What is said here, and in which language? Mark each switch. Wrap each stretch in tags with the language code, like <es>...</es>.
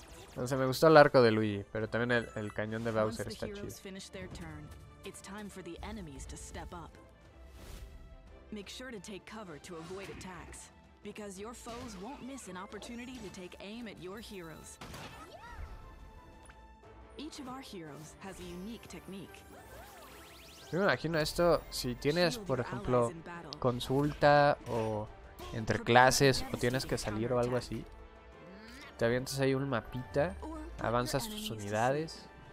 <es>Entonces me gustó el arco de Luigi, pero también el cañón de Bowser está chido.</es> <en>It's time for the enemies to step up. Make sure to take cover to avoid attacks, because your foes won't miss an opportunity to take aim at your heroes. Each of our heroes has a unique technique.</en> <es>Yo me imagino esto si tienes, por ejemplo, consulta o entre clases o tienes que salir o algo así. Te avientas ahí un mapita, avanzas tus unidades.</es>